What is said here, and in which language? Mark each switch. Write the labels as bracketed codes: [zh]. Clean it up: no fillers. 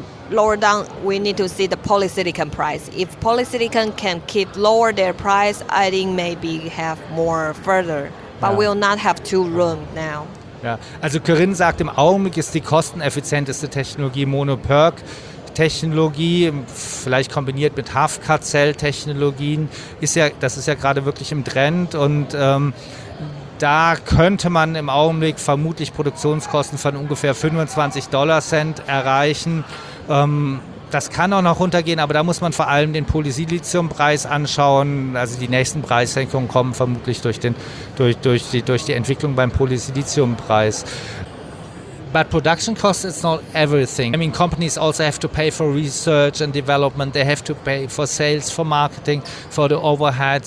[en] Lower down, we need to see the polysilicon price. If polysilicon can keep lower their price, I think maybe have more further. But we'll not have two room now. [de] Ja. Also Corinne sagt, im Augenblick ist die kosteneffizienteste Technologie Monoperc-Technologie, vielleicht kombiniert mit HFK-Zell-Technologien. Das ist ja gerade wirklich im Trend. Und da könnte man im Augenblick vermutlich Produktionskosten von ungefähr 25 Dollar Cent erreichen. Das kann auch noch runtergehen, aber da muss man vor allem den Polysilizium-Preis anschauen. Also die nächsten Preissenkungen kommen vermutlich durch die Entwicklung beim Polysilizium-Preis. [en] But production cost is not everything. I mean, companies also have to pay for research and development. They have to pay for sales, for marketing, for the overhead.